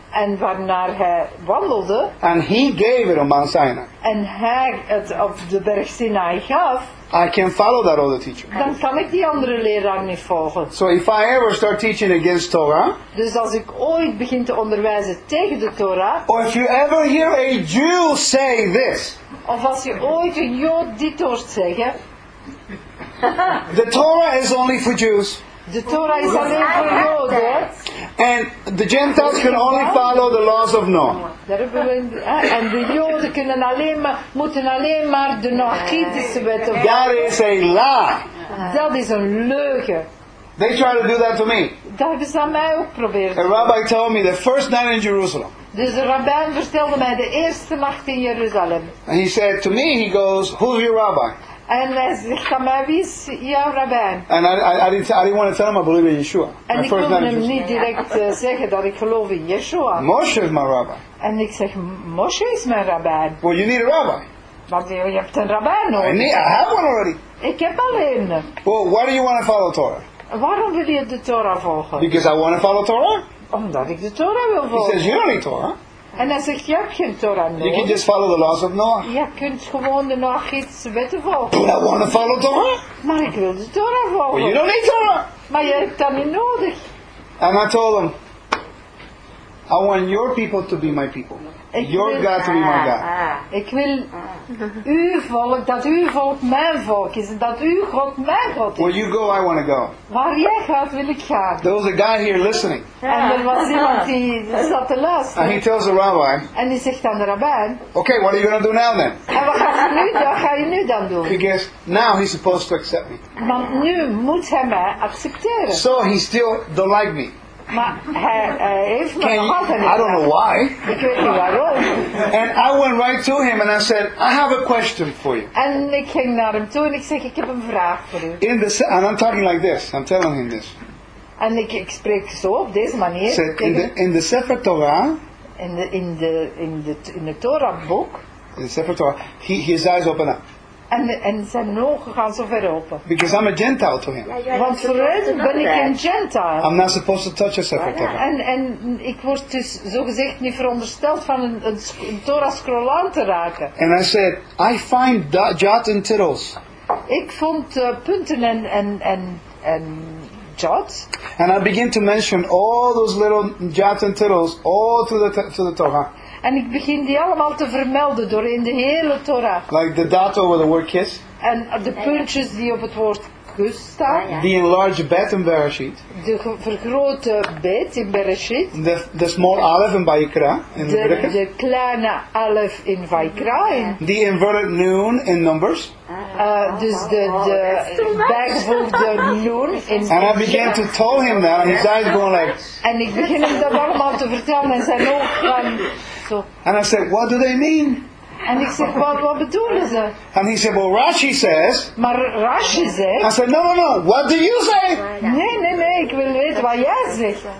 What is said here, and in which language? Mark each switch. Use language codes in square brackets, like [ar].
[nl] en waarnaar hij wandelde, [en] and he gave it on Mount Sinai, [nl] en hij het op de berg Sinai gaf, [en] I can follow that other teacher. [nl] Dan kan ik die andere leraar niet volgen. [en] So if I ever start teaching against Torah, [nl] dus als ik ooit begin te onderwijzen tegen de Torah, [en] or if you ever hear a Jew say this. [nl] Of als je ooit een Jood dit hoort zeggen. [en] The Torah is only for Jews. [nl] De Torah is alleen voor Joden. [en] And the Gentiles can only follow the laws of Noah. [nl] En de Joden kunnen alleen maar, moeten alleen maar de Noachitische wetten volgen. [en] That is a lie. [nl] Dat is een leugen. [en] They try to do that to me. [nl] Dat is aan mij ook proberen. [en] A rabbi told me the first night in Jerusalem. [nl] Dus de rabbijn vertelde mij de eerste nacht in Jeruzalem. [en] And he said to me, he goes, who's your rabbi? [nl] En hij zegt aan mij, wie is jouw rabbijn? [en] And I didn't want to tell him I believe in Yeshua. [nl] En ik kon hem niet direct zeggen dat ik geloof in Yeshua. Moshe is mijn rabbi. En ik zeg, Moshe is mijn rabbijn. [en] Well, you need a rabbi. [nl] Want je hebt een rabbijn nodig. [en] I have one already. [nl] Ik heb al een. [en] Well, why do you want to follow Torah? [nl] Waarom wil je de Torah volgen? [en] Because I want to follow Torah. [nl] Omdat ik de Torah wil volgen. [en] He says, you don't need Torah. [nl] En hij zegt, je hebt geen Torah nodig. [en] You can just follow the laws of Noah. [nl] Je kunt gewoon de Noachitische wetten volgen. [en] But I want to follow Torah. [nl] Maar ik wil de Torah volgen. [en] Well, you don't need Torah. [nl] Maar je hebt dat niet nodig. [en] And I told him, I want your people to be my people. Your God to be my God. [nl] Ik wil uw volk, dat uw volk mijn volk is. Dat uw God mijn God is. [en] Where you go, I want to go. [nl] Waar jij gaat, wil ik gaan. [en] There was a guy here listening. [nl] En er was iemand die zat te luisteren. [en] And he tells the rabbi. [nl] En die zegt aan de rabbijn. [en] Okay, what are you going to do now then? [nl] En wat ga je nu dan doen? [en] Because now he's supposed to accept me. [nl] Want nu moet hij mij accepteren. [en] So he still don't like me. [nl] Maar hij heeft me nog altijd niet. [en] I don't know why. [nl] Ik weet niet waarom. [en] And I went right to him and I said, I have a question for you. [nl] En ik ging naar hem toe en ik zeg, ik heb een vraag voor u. [en] In the, and I'm talking like this. I'm telling him this. [nl] En ik spreek zo op deze manier. [en] Said, in the Sefer Torah. [nl] In de Torah boek. [en] In the Sefer Torah. His eyes open up. [nl] En zijn ogen gaan zo ver open. [en] Because I'm a Gentile to him. [nl] Want voor hem ben ik een Gentile. [en] I'm not supposed to touch a Sefer Torah. [nl] En ik word dus zo gezegd niet verondersteld van een Torah scroll aan te raken. [en] And I said, I find jot and tittles. [nl] Ik vond punten en jot. [en] And I begin to mention all those little jot and tittles all through the Torah. [nl] En ik begin die allemaal te vermelden door in de hele Torah. [en] Like the dot over the word kiss. [nl] En de puntjes die op het woord Augusta. [en] The enlarged bet in Bereshit. [nl] De vergrote bet in Bereshit. [en] The small aleph in Vayikra. In [nl] de kleine aleph in Vayikra. [en] The inverted noon in Numbers. [nl] Dus de bijgevoegde noon in. [en] And I began to tell him that, and his eyes going like. [nl] En ik begin hem dat allemaal te vertellen, en zijn ogen gaan zo. [en] And I said, what do they mean? And he said, what [nl] bedoelen ze? [en] And he said, well, Rashi says. [nl] Maar Rashi zegt. [en] I said, no, what do you say? [nl] Nee, ik wil weten wat jij zegt.